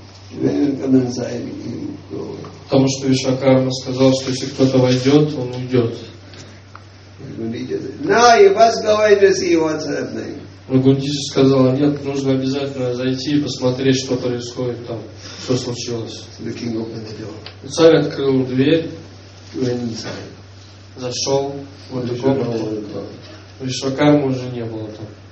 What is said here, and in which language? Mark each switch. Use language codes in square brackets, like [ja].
[ru] Потому что Вишвакарма сказал, что если кто-то войдет, он уйдет. [en] No, you must go in to see what's happening. [ru] Но Гундича сказала, нет, нужно обязательно зайти и посмотреть, что происходит там, что случилось. [en] The king opened the door. [ru] Царь открыл дверь, зашел в эту комнату. Вишвакарма уже не было там.